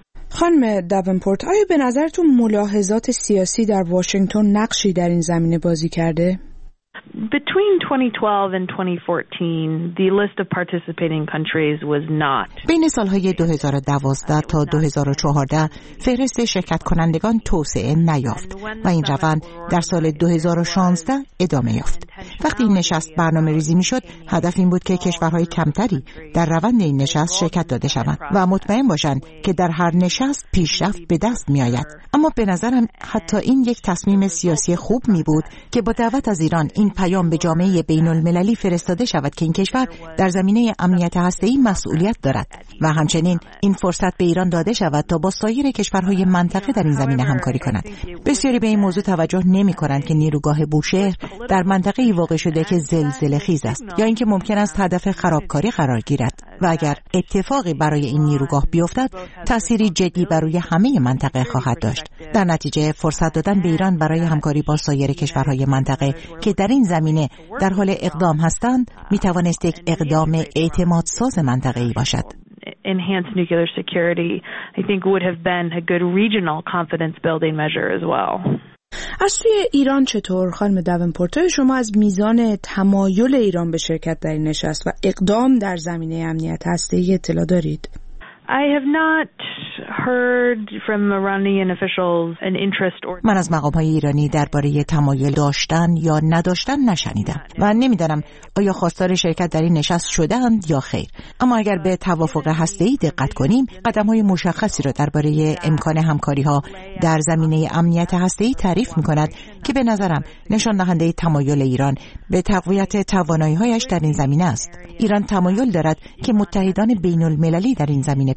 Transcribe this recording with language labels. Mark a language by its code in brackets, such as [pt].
[fa] خانم داونپورت، آیا به نظرتون ملاحظات سیاسی در واشنگتن نقشی در این زمینه بازی کرده؟ [en] Between 2012 and 2014, the list of participating countries was not. [fa] بین سالهای 2012 تا 2014 فهرست شرکت کنندگان توسعه نیافت و این روند در سال 2016 ادامه یافت. وقتی این نشست برنامه ریزی می شد، هدف این بود که کشورهای کمتری در روند این نشست شرکت داده شوند و مطمئن باشند که در هر نشست پیشرفت به دست می آید. اما به نظرم حتی این یک تصمیم سیاسی خوب می بود که با دعوت از ایران این پیام به جامعه بین المللی فرستاده شود که این کشور در زمینه امنیت هسته‌ای مسئولیت دارد و همچنین این فرصت به ایران داده شود تا با سایر کشورهای منطقه در این زمینه همکاری کند. بسیاری به این موضوع توجه نمی‌کنند که نیروگاه بوشهر در منطقه‌ای واقع شده که زلزله خیز است یا اینکه ممکن است هدف خرابکاری قرار گیرد و اگر اتفاقی برای این نیروگاه بیفتد تأثیری جدی بر روی همه منطقه خواهد داشت. در نتیجه فرصت دادن به ایران برای همکاری با سایر کشورهای منطقه که در این زمینه در حال اقدام هستند می توانست یک اقدام اعتماد ساز منطقه‌ای باشد. [en] Enhanced nuclear security, I think, would have been a good regional confidence building measure as well. [fa] از سوی ایران چطور خانم داونپورت؟ شما از میزان تمایل ایران به شرکت در این نشست و اقدام در زمینه امنیت هسته‌ای اطلاع دارید؟ [en] I have not heard from Iranian officials an interest or. [fa] من از مقام‌های ایرانی درباره تمایل داشتن یا نداشتن نشنیدم و نمی‌دانم آیا خواستار شرکت در این نشست شده‌اند یا خیر. اما اگر به توافق هسته‌ای دقت کنیم، قدم‌های مشخصی را درباره امکان همکاری‌ها در زمینه امنیت هسته‌ای تعریف می‌کند که به نظرم نشان دهنده تمایل ایران به تقویت توانایی‌هایش در این زمینه است. ایران تمایل دارد که متحدان بین‌المللی در این زمینه